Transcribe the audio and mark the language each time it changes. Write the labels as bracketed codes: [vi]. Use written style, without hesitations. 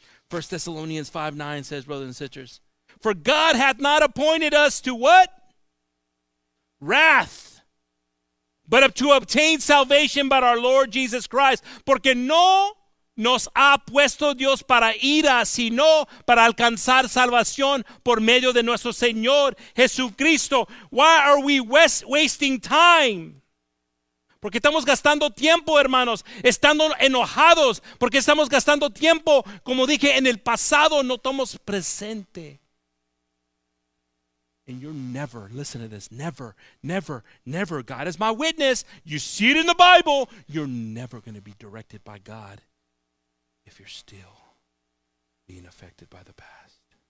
[en] 1 Thessalonians 5:9 says, brothers and sisters, for God hath not appointed us to what? Wrath. But to obtain salvation by our Lord Jesus Christ. [es] Porque no nos ha puesto Dios para ira, sino para alcanzar salvación por medio de nuestro Señor Jesucristo. [en] Why are we wasting time? [es] Porque estamos gastando tiempo, hermanos, estando enojados, porque estamos gastando tiempo, como dije, en el pasado, no estamos presente. [en] And you're never, listen to this, never, never, never, God is my witness, you see it in the Bible, you're never going to be directed by God if you're still being affected by the past.